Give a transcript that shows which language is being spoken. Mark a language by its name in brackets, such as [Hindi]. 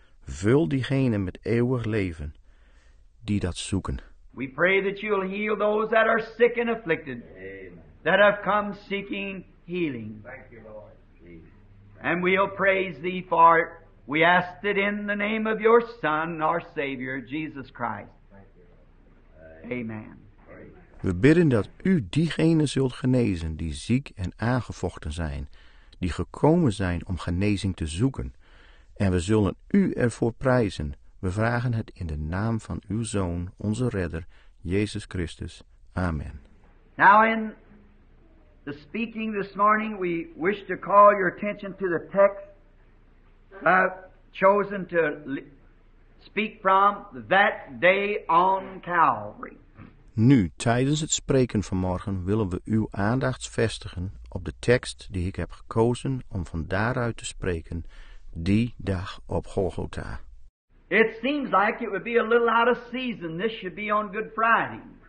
[Dutch] Vul diegene met eeuwig leven die dat zoeken. [English] We pray that you'll heal those that are sick and afflicted, amen, that have come seeking healing. Thank you, Lord. And we'll praise thee for it. We ask it in the name of your Son, our Savior, Jesus Christ. Thank you. Amen. [Dutch] We bidden dat u diegene zult genezen die ziek en aangevochten zijn, die gekomen zijn om genezing te zoeken. En we zullen u ervoor prijzen. We vragen het in de naam van uw Zoon, onze Redder, Jezus Christus. Amen. [English] Now in the speaking this morning, we wish to call your attention to the text I've chosen to speak from, that day on Calvary. [Dutch] Nu, tijdens het spreken vanmorgen willen we uw aandacht vestigen op de tekst die ik heb gekozen om van daaruit te spreken, die dag op Golgotha. [English] It seems like it would be a little out of season. This should be on Good Friday.